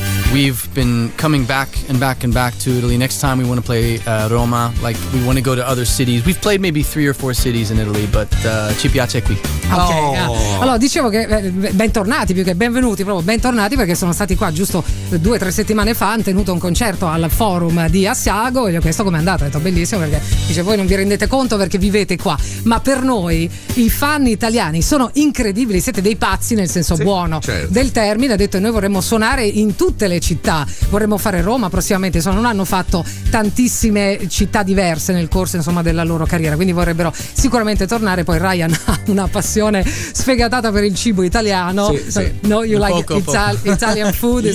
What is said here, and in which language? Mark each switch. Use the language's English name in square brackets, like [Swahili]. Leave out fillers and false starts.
[English] We've been coming back and back and back to Italy. Next time we want to play Roma. Like, we want to go to other cities. We've played maybe 3 or 4 cities in Italy, but [Italian] ci piace qui. Ok. Allora, dicevo che bentornati, più che benvenuti, proprio bentornati, perché sono stati qua giusto 2 o 3 settimane fa, hanno tenuto un concerto al Forum di Assiago e gli ho chiesto com'è andata. Ho detto bellissimo, perché dice voi non vi rendete conto perché vivete qua, ma per noi i fan italiani sono incredibili, siete dei pazzi nel senso buono del termine. Ha detto noi vorremmo suonare in tutte le città, vorremmo fare Roma prossimamente, insomma non hanno fatto tantissime città diverse nel corso, insomma, della loro carriera, quindi vorrebbero sicuramente tornare. Poi Ryan ha una passione sfegatata per il cibo italiano. Sì. [English] No, you like Italian food is